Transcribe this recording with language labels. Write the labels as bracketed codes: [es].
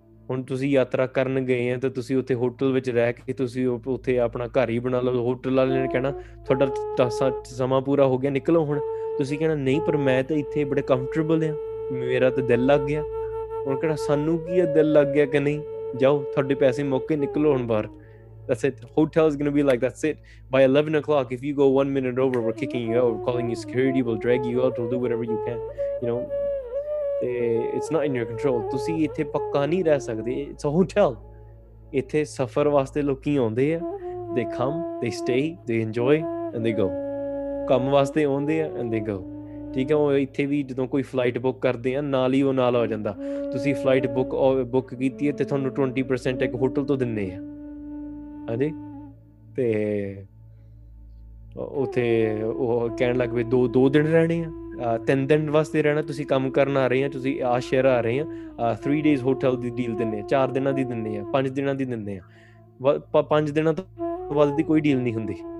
[pa] ਹੁਣ ਤੁਸੀਂ ਯਾਤਰਾ ਕਰਨ ਗਏ ਆ ਤਾਂ ਤੁਸੀਂ ਉੱਥੇ ਹੋਟਲ ਵਿੱਚ ਰਹਿ ਕੇ ਤੁਸੀਂ ਉੱਥੇ ਆਪਣਾ ਘਰ ਹੀ ਬਣਾ ਲਓ। ਹੋਟਲ ਵਾਲੇ ਨੇ ਕਹਿਣਾ ਤੁਹਾਡਾ ਸਮਾਂ ਪੂਰਾ ਹੋ ਗਿਆ, ਨਿਕਲੋ ਹੁਣ। ਤੁਸੀਂ ਕਹਿਣਾ ਨਹੀਂ, ਪਰ ਮੈਂ ਤਾਂ ਇੱਥੇ ਬੜੇ ਕੰਫਰਟੇਬਲ ਆ, ਮੇਰਾ ਤਾਂ ਦਿਲ ਲੱਗ ਗਿਆ। ਹੁਣ ਕਹਿਣਾ ਸਾਨੂੰ ਕੀ ਆ, ਦਿਲ ਲੱਗ ਗਿਆ ਕਿ ਨਹੀਂ, ਜਾਓ ਤੁਹਾਡੇ ਪੈਸੇ ਮੌਕੇ, ਨਿਕਲੋ ਹੁਣ ਬਾਹਰ। [en] That's it. Hotel is going to be like, that's it. By 11 o'clock, if you go 1 minute over, we're kicking you out. We're calling you security. We'll drag you out. We'll do whatever you can. You know, it's not in your control. You can't stay here. It's a hotel. People come here for the trip. They come, they stay, they enjoy, and they go. They come here and they go. [pa] ਠੀਕ ਹੈ, ਉਹ ਇੱਥੇ ਵੀ ਜਦੋਂ ਕੋਈ flight book ਕਰਦੇ ਆ ਨਾਲ ਹੀ ਉਹ ਨਾਲ ਆ ਜਾਂਦਾ। ਤੁਸੀਂ ਫਲਾਈਟ ਬੁੱਕ ਕੀਤੀ ਹੈ ਤੇ ਤੁਹਾਨੂੰ 20% ਇੱਕ ਹੋਟਲ ਤੋਂ ਦਿੰਦੇ ਆ। ਹਾਂਜੀ, ਤੇ ਉੱਥੇ ਉਹ ਕਹਿਣ ਲੱਗ ਪਏ ਦੋ ਦਿਨ ਰਹਿਣੇ ਆ, 3 ਦਿਨ ਵਾਸਤੇ ਰਹਿਣਾ, ਤੁਸੀਂ ਕੰਮ ਕਰਨ ਆ ਰਹੇ ਆ, ਤੁਸੀਂ ਆ ਸ਼ਹਿਰ ਆ ਰਹੇ ਆ, 3 ਡੇਜ਼ ਹੋਟਲ ਦੀ ਡੀਲ ਦਿੰਦੇ ਆ, 4 ਦਿਨਾਂ ਦੀ ਦਿੰਦੇ ਆ, 5 ਦਿਨਾਂ ਦੀ ਦਿੰਦੇ ਆ, 5 ਦਿਨਾਂ ਤੋਂ ਵੱਧ ਦੀ ਕੋਈ ਡੀਲ ਨਹੀਂ ਹੁੰਦੀ।